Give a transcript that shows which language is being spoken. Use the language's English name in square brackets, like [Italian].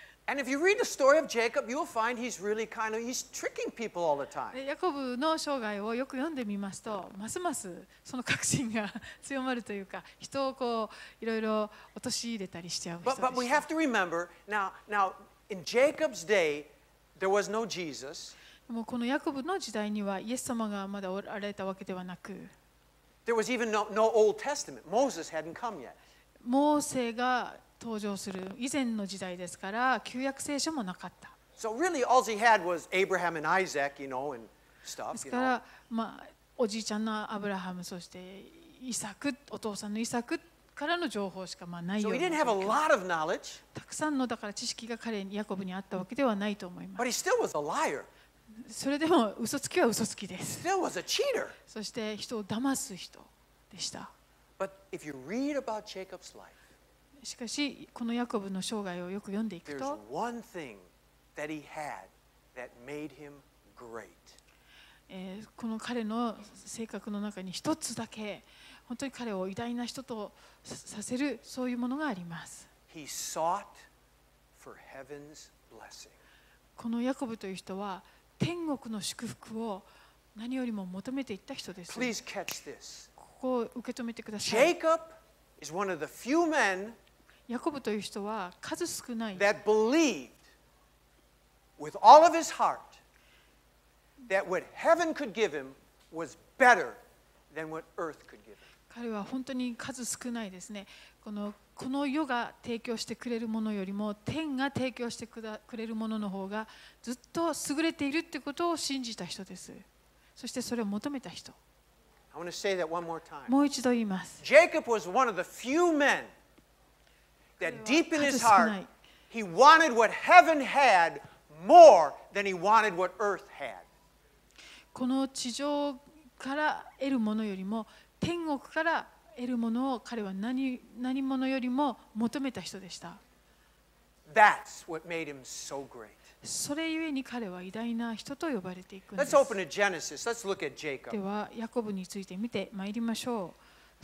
[English] And if you read the story of Jacob, you'll find he's really kind of he's tricking people all the time. [Japanese] ヤコブの生涯をよく読んでみますと、ますますその確信が強まるというか、人をこういろいろ陥れたりしちゃう。 [English] But we have to remember now in Jacob's day. There was no Jesus. [Japanese] でもこのヤコブの時代にはイエス様がまだおられたわけではなく、 [English] There was even no Old Testament. Moses hadn't come yet. [Japanese] モーセが登場する以前の時代ですから、旧約聖書もなかった。 [English] So really, all he had was Abraham and Isaac, you know, and stuff. [Japanese] ですから、まあおじいちゃんのアブラハム、そしてイサク、お父さんのイサク。からの情報しかまあないような状況。たくさんのだから知識が彼にヤコブにあったわけではないと思います。 [English] But he still was a liar. [Japanese] それでも嘘つきは嘘つきです。 [English] Still was a cheater. [Japanese] そして人を騙す人でした。 [English] But if you read about Jacob's life, [Japanese] しかしこのヤコブの生涯をよく読んでいくと、 [English] There's one thing that he had that made him great. [Japanese] この彼の性格の中に一つだけ本当に彼を偉大な人とさせるそういうものがあります。 [English] He sought for heaven's blessing. [Japanese] このヤコブという人は天国の祝福を何よりも求めていった人です。 [English] Please catch this. [Japanese] ここを受け止めてください。 [English] Jacob is one of the few men [Japanese] ヤコブという人は数少ない [English] that believed with all of his heartThat what heaven could give him was better than what earth could give him. [Japanese] 彼は本当に数少ないですね。この世が提供してくれるものよりも天が提供してくれるものの方がずっと優れているってことを信じた人です。そしてそれを求めた人。 [English] I want to say that one more time. [Japanese] もう一度言います。 [English] Jacob was one of the few men that deep in his heart he wanted what heaven had more than he wanted what earth had. [Japanese] この地上から得るものよりも天国から得るものを彼は 何者よりも求めた人でした。 [English] That's what made him so great. [Japanese] それゆえに彼は偉大な人と呼ばれていくんです。 [English] Let's open to Genesis. Let's look at Jacob. [Japanese] ではヤコブについて見てまいりましょう。